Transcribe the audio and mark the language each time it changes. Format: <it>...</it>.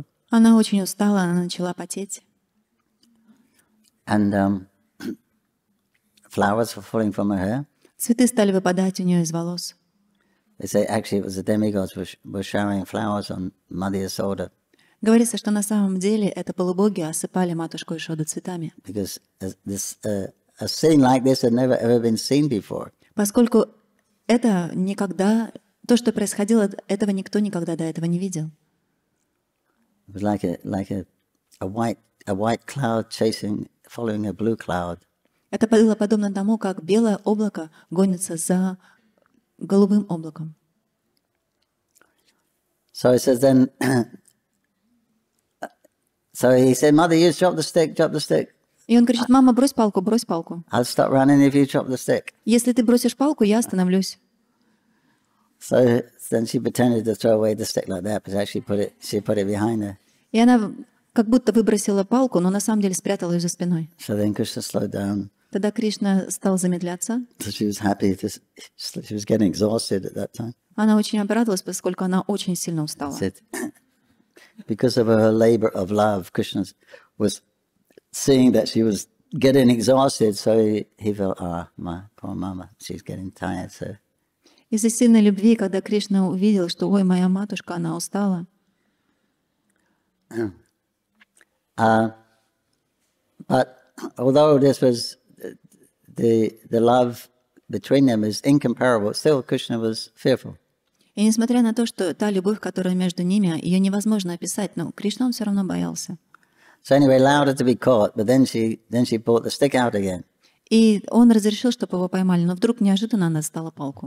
<ru>Она очень устала, она начала потеть.</ru> <en>And flowers were falling from her hair.</en> <ru>Цветы стали выпадать у нее из волос.</ru> <en>They say actually it was the demigods were showering flowers on Mother Yasoda.</en> <ru>Говорится, что на самом деле это полубоги осыпали матушку Ишоду цветами.</ru> <en>Because this a scene like this had never ever been seen before.</en> <ru>Поскольку это никогда то, что происходило, этого никто никогда до этого не видел.</ru> <en>It was like a white cloud chasing following a blue cloud.</en> <ru>Это было подобно тому, как белое облако гонится за голубым облаком.</ru> <en>So he says then. So he said, "Mother, you drop the stick, drop the stick."</en> <ru>И он кричит: "Мама, брось палку, брось палку."</ru> <en>I'll stop running if you drop the stick.</en> <ru>Если ты бросишь палку, я остановлюсь.</ru> <en>So then she pretended to throw away the stick like that, but actually she put it behind her.</en> <ru>И она как будто выбросила палку, но на самом деле спрятала ее за спиной.</ru> <en>So then Krishna slowed down.</en> <ru>Тогда Кришна стал замедляться.</ru> <en>So she was happy. She was getting exhausted at that time.</en> <ru>Она очень обрадовалась, поскольку она очень сильно устала.</ru> <en>Because of her labor of love, Krishna was seeing that she was getting exhausted, so he felt, my poor mama, she's getting tired. So.</en> <ru>Из-за сильной любви, когда Кришна увидел, что, ой, моя матушка, она устала.</ru> <en>But although this was the love between them is incomparable, still Krishna was fearful.</en> <ru>И несмотря на то, что та любовь, которая между ними, ее невозможно описать, но Кришна он все равно боялся.</ru> <en>So anyway, allowed her to be caught, but then she pulled the stick out again.</en> <ru>И он разрешил, чтобы его поймали, но вдруг неожиданно она достала палку.</ru>